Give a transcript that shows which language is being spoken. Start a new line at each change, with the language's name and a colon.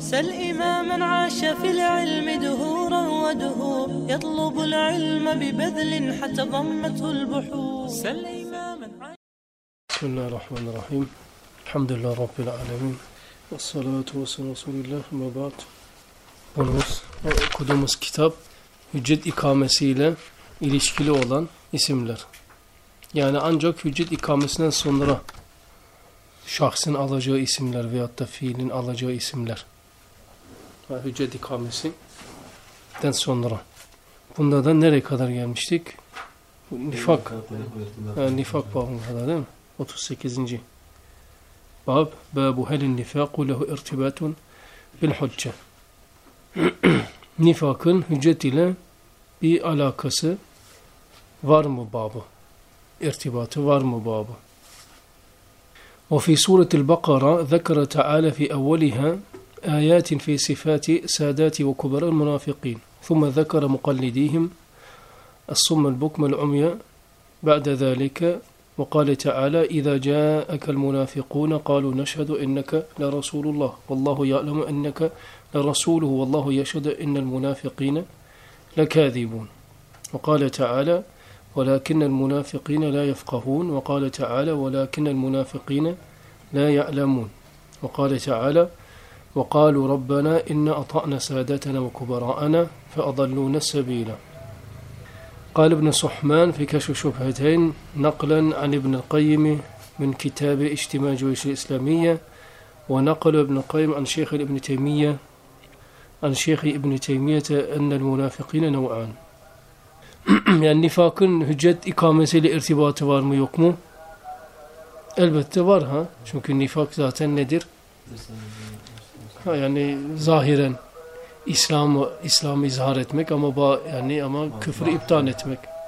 Arabic: سل إماما عاش في العلم دهورا ودهور يطلب العلم ببذل حتى ضمته البحور. سل إماما بسم الله الرحمن الرحيم. الحمد لله رب العالمين والصلاة والسلام على رسول الله ما بعد.
Turkish: Konumuz, okuduğumuz kitap hüccet ikamesiyle ilişkili olan isimler. Yani ancak hüccet ikamesinden sonra şahsın alacağı isimler veyahut da fiilin alacağı isimler. Hüccet ikamesinden sonra. Bunda da nereye kadar gelmiştik? Nifak. Yani nifak babına kadar değil mi? 38. Bab.
Arabic: Babu helin nifakü lehu irtibatun bil hucce.
Turkish: Nifakın hüccet ile bir alakası var mı babı? İrtibatı var mı babı?
Arabic: وفي سورة البقرة ذكر تعالى في أولها آيات في صفات سادات وكبار المنافقين ثم ذكر مقلديهم الصم البكم العمي بعد ذلك وقال تعالى إذا جاءك المنافقون قالوا نشهد إنك لرسول الله والله يعلم إنك لرسوله والله يشهد إن المنافقين لكاذبون وقال تعالى ولكن المنافقين لا يفقهون وقال تعالى ولكن المنافقين لا يعلمون وقال تعالى وقالوا ربنا إن أطعنا سادتنا وكبراءنا فأضلونا السبيلا. قال ابن صحمان في كشف شبهتين نقلا عن ابن القيم من كتاب اجتماع جيوش الإسلامية ونقل ابن القيم عن شيخ ابن تيمية عن شيخ ابن تيمية أن المنافقين نوعان.
Turkish: Yani nifakın hüccet ikamesiyle irtibatı var mı yok mu? Elbette var ha. Çünkü nifak zaten nedir? Ha, yani zahiren İslam'ı izhar etmek ama küfrü iptal etmek.